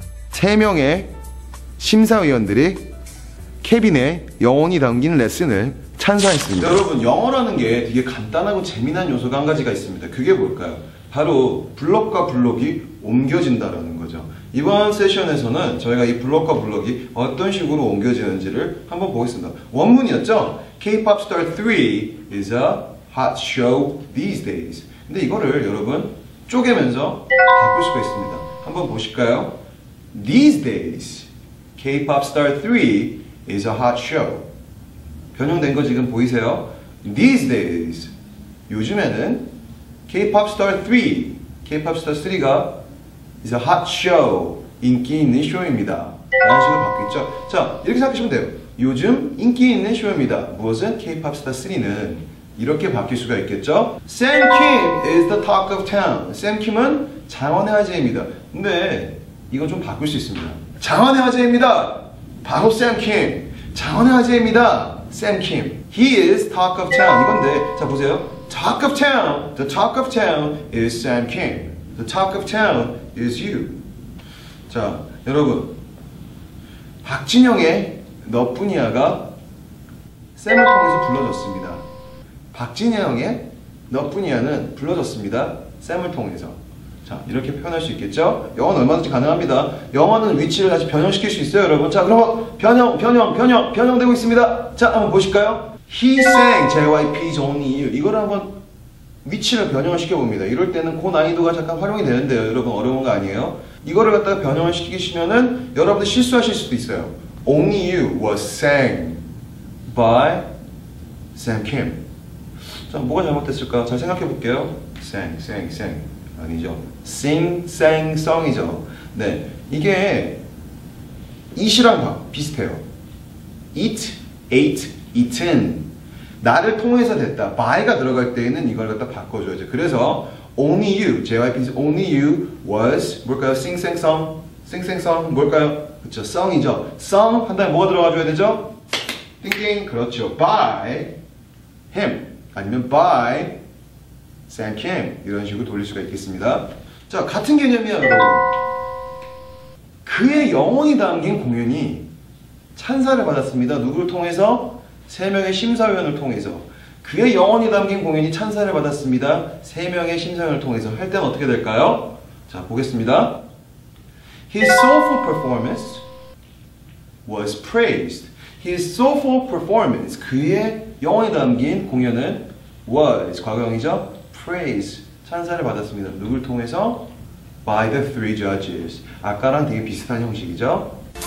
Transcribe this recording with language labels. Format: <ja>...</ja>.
<ko>세 명의 심사위원들이 케빈의 영혼이 담긴 레슨을 찬사했습니다. 여러분, 영어라는 게 되게 간단하고 재미난 요소가 한 가지가 있습니다. 그게 뭘까요? 바로 블록과 블록이 옮겨진다라는 거죠. 이번 세션에서는 저희가 이 블록과 블록이 어떤 식으로 옮겨지는지를 한번 보겠습니다. 원문이었죠?</ko> <en>K-pop star 3 is a hot show these days.</en> <ko>근데 이거를 여러분 쪼개면서 바꿀 수가 있습니다. 한번 보실까요?</ko> <en>These days, K-pop star 3 is a hot show.</en> <ko>변형된 거 지금 보이세요?</ko> <en>These days,</en> <ko>요즘에는</ko> <en>K-pop star 3, K-pop star 3가 is a hot show,</en> <ko>인기 있는 쇼입니다. 라는 식으로 바뀌었죠. 자, 이렇게 생각하시면 돼요. 요즘 인기 있는 쇼입니다. 무엇은 K-pop star 3는? 이렇게 바뀔 수가 있겠죠?</ko> <en>Sam Kim is the talk of town.</en> <ko>Sam Kim은 장원의 화제입니다. 근데 이건 좀 바꿀 수 있습니다. 장원의 화제입니다. 바로 Sam Kim. 장원의 화제입니다. Sam Kim.</ko> <en>He is talk of town.</en> <ko>이건데, 자 보세요.</ko> <en>Talk of town. The talk of town is Sam Kim. The talk of town is you.</en> <ko>자, 여러분. 박진영의 너뿐이야가 Sam을 통해서 불러졌습니다. 박진영의 너뿐이야는 불러졌습니다. 샘을 통해서. 자, 이렇게 표현할 수 있겠죠? 영어는 얼마든지 가능합니다. 영어는 위치를 다시 변형시킬 수 있어요, 여러분. 자, 그럼 변형되고 있습니다. 자, 한번 보실까요?</ko> <en>He sang JYP's only you.</en> <ko>이걸 한번 위치를 변형을 시켜봅니다. 이럴 때는 고 난이도가 잠깐 활용이 되는데요, 여러분. 어려운 거 아니에요. 이거를 갖다가 변형을 시키시면은 여러분들 실수하실 수도 있어요.</ko> <en>Only you was sang by Sam Kim.</en> <ko>자, 뭐가 잘못됐을까? 잘 생각해 볼게요.</ko> <en>Sang, sang, sang.</en> <ko>아니죠.</ko> <en>Sing, sang, song이죠.</en> <ko>네, 이게 it이랑 비슷해요.</ko> <en>It, ate, eaten.</en> <ko>나를 통해서 됐다. by가 들어갈 때에는 이걸 갖다 바꿔줘야죠. 그래서 only you, JYP's only you was 뭘까요?</ko> <en>Sing, sang, song. Sing, sang, song.</en> <ko>뭘까요? 그렇죠,</ko> <en>song이죠.</en> <ko>Song 한 다음에 뭐가 들어가줘야 되죠? 띵띵. 그렇죠.</ko> <en>By him.</en> <ko>아니면 by Sam Kim 이런 식으로 돌릴 수가 있겠습니다. 자, 같은 개념이야 여러분. 그의 영혼이 담긴 공연이 찬사를 받았습니다. 누구를 통해서? 세 명의 심사위원을 통해서. 그의 영혼이 담긴 공연이 찬사를 받았습니다. 세 명의 심사위원을 통해서 할 때는 어떻게 될까요? 자, 보겠습니다.</ko> <en>His soulful performance was praised. His soulful performance,</en> <ko>그의 영혼이 담긴 공연은 was, 과거형이죠? praise, 찬사를 받았습니다. 누굴 통해서?</ko> <en>by the three judges.</en> <ko>아까랑 되게 비슷한 형식이죠?</ko>